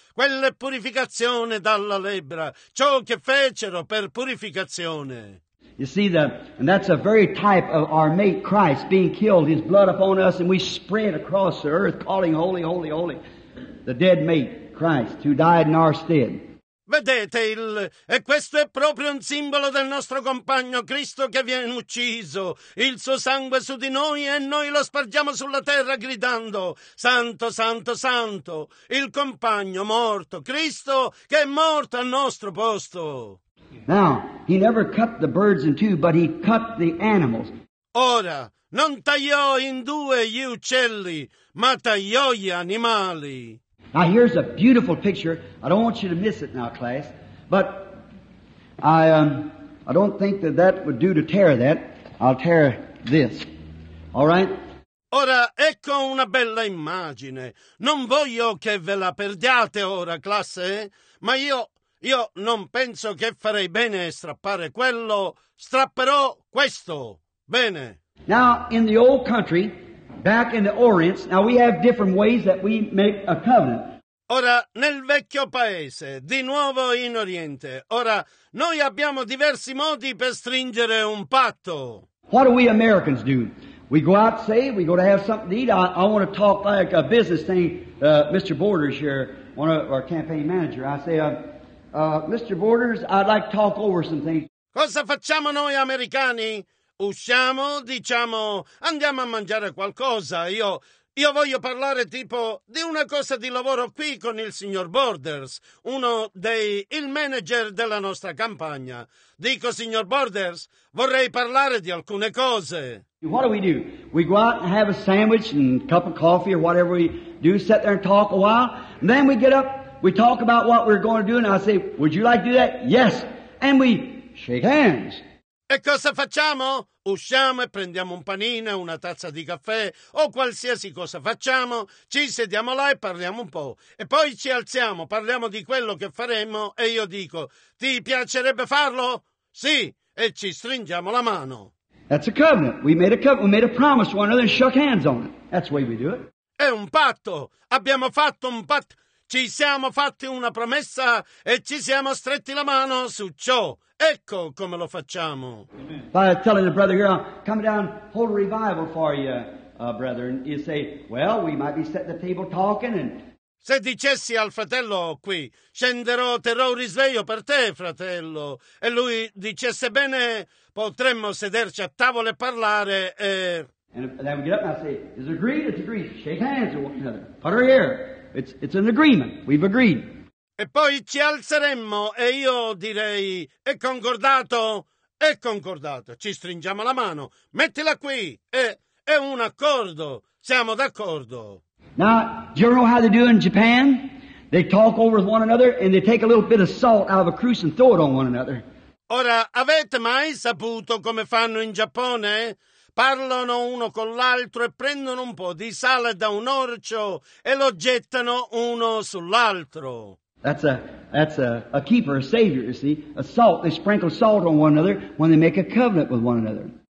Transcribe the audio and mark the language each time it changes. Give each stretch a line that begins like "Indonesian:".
Italian: Quella è purificazione dalla lebbra, ciò che fecero per purificazione.
English: You see, and that's a very type of our mate Christ being killed, his blood upon us, and we spread across the earth calling holy, holy, holy, the dead mate Christ who died in our stead.
Italian: Vedete, e questo è proprio un simbolo del nostro compagno Cristo che viene ucciso. Il suo sangue su di noi e noi lo spargiamo sulla terra gridando Santo, Santo, Santo, il compagno morto, Cristo che è morto al nostro posto.
English: Now, he never cut the birds in two, but he cut the animals.
Italian: Ora, non tagliò in due gli uccelli, ma tagliò gli animali.
English: Now, here's a beautiful picture. I don't want you to miss it now, class. But I don't think that would do to tear that. I'll tear this. All right?
Italian: Ora, ecco una bella immagine. Non voglio che ve la perdiate ora, classe, ma io non penso che farei bene a strappare quello. Strapperò questo. Bene.
English: Now, in the old country, back in the Orient, now we have different ways that we make a covenant.
Italian: Ora, nel vecchio paese, di nuovo in Oriente, ora, noi abbiamo diversi modi per stringere un patto.
English: What do we Americans do? We go out, say, we go to have something to eat. I want to talk like a business thing. Mr. Borders here, one of our campaign manager, I say, Mr. Borders, I'd like to talk over some things.
Italian: Cosa facciamo noi americani? Usciamo, diciamo, andiamo a mangiare qualcosa. Io voglio parlare tipo di una cosa di lavoro qui con il signor Borders, il manager della nostra campagna. Dico, signor Borders, vorrei parlare di alcune cose.
English: What do? We go out and have a sandwich and a cup of coffee or whatever we do, sit there and talk a while, and then we get up. We talk about what we're going to do, and I say, would you like to do that? Yes. And we shake hands.
Italian: E cosa facciamo? Usciamo e prendiamo un panino, una tazza di caffè, o qualsiasi cosa facciamo, ci sediamo là e parliamo un po'. E poi ci alziamo, parliamo di quello che faremo, e io dico, ti piacerebbe farlo? Sì. E ci stringiamo la mano.
English: That's a covenant. We made a covenant. We made a promise to one another and shook hands on it. That's the way we do it.
Italian: È un patto. Abbiamo fatto un patto. Ci siamo fatti una promessa e ci siamo stretti la mano su ciò. Ecco come lo facciamo.
English: By telling the brother here, I'll come down, hold a revival for you, brother. And you say, well, we might be sitting at the table talking. And
Italian: se dicessi al fratello qui, scenderò, terrò un risveglio per te, fratello. E lui dicesse, bene, potremmo sederci a tavola e parlare. E
English: then we get up and I say, is it agreed? It's agreed. Shake hands with one another. Put her here. It's an agreement. We've agreed.
Italian: E poi ci alzeremmo e io direi, è concordato? È concordato. Ci stringiamo la mano. Mettila qui. È un accordo. Siamo d'accordo.
English: Now, do you know how they do in Japan? They talk over with one another and they take a little bit of salt out of a cruise and throw it on one another.
Italian: Ora, avete mai saputo come fanno in Giappone? Parlano uno con l'altro e prendono un po' di sale da un orcio e lo gettano uno sull'altro.
English: That's a keeper, a savior, you see. A salt, they sprinkle salt on one another when they make a covenant with one another.